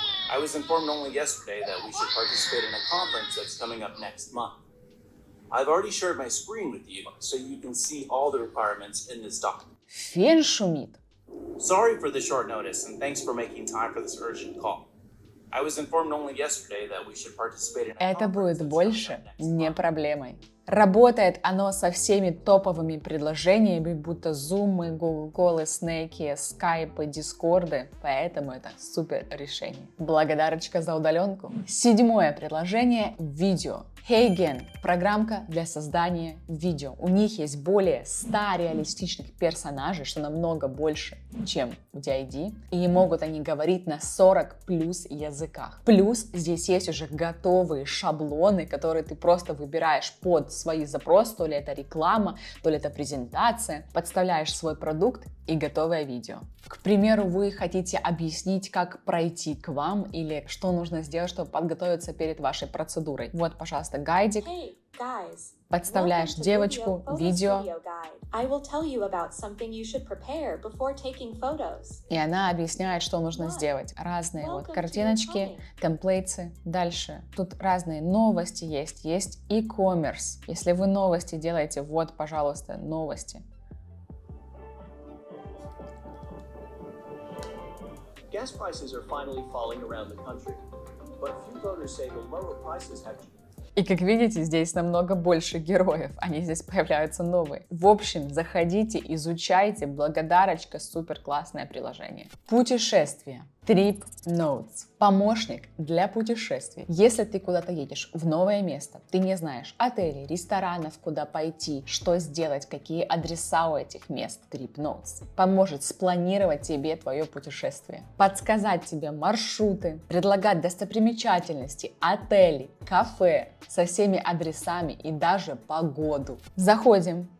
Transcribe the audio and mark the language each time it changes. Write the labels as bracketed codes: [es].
[en] I was informed only yesterday that we should participate in a conference that's coming up next month. I've already shared my screen with you, so you can see all the requirements in this document. [ru] Фен шумит. [en] Sorry for the short notice, and thanks for making time for this urgent call. I was informed only yesterday that we should participate in a [ru] Это будет больше не проблемой. Работает оно со всеми топовыми предложениями, будто Zoom, Google Call, Snake, Skype, Discord. Поэтому это супер решение. Благодарочка за удаленку. Седьмое предложение – видео. Heygen – программка для создания видео. У них есть более 100 реалистичных персонажей, что намного больше, чем в DID. И могут они говорить на 40 плюс языках. Плюс здесь есть уже готовые шаблоны, которые ты просто выбираешь под свои запросы, то ли это реклама, то ли это презентация. Подставляешь свой продукт и готовое видео. К примеру, вы хотите объяснить, как пройти к вам или что нужно сделать, чтобы подготовиться перед вашей процедурой. Вот, пожалуйста, гайдик. [en] Hey, guys, [ru] подставляешь девочку, видео. [en] I will tell you about something you should prepare before taking photos. [ru] И она объясняет, что нужно сделать. Разные вот картиночки, темплейтсы. Дальше. Тут разные новости есть. Есть e-commerce. Если вы новости делаете, вот, пожалуйста, новости. [en] Gas prices are finally falling around the country, but few voters say the lower prices have [ru] И как видите, здесь намного больше героев, они здесь появляются новые. В общем, заходите, изучайте, благодарочка, супер классное приложение. Путешествие. Trip Notes. Помощник для путешествий. Если ты куда-то едешь в новое место, ты не знаешь отелей, ресторанов, куда пойти, что сделать, какие адреса у этих мест, Trip Notes поможет спланировать тебе твое путешествие, подсказать тебе маршруты, предлагать достопримечательности, отели, кафе со всеми адресами и даже погоду. Заходим.